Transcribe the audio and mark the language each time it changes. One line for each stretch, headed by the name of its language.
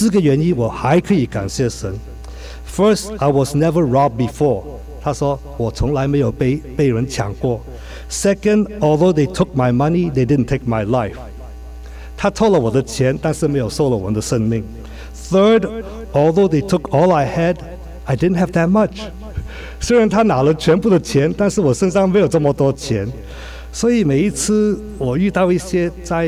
Chinese: 他被人家来抢他的钱的时候，他就说有四个原因我还可以感谢神。
English: First, I was never robbed before.
Chinese: 他说我从来没有被人抢过。
English: Second, although they took my money, they didn't take my life.
Chinese: 他偷了我的钱，但是没有收了我的生命。
English: Third, although they took all I had, I didn't have that much.
Chinese: 虽然他拿了全部的钱，但是我身上没有这么多钱。所以每一次我遇到一些在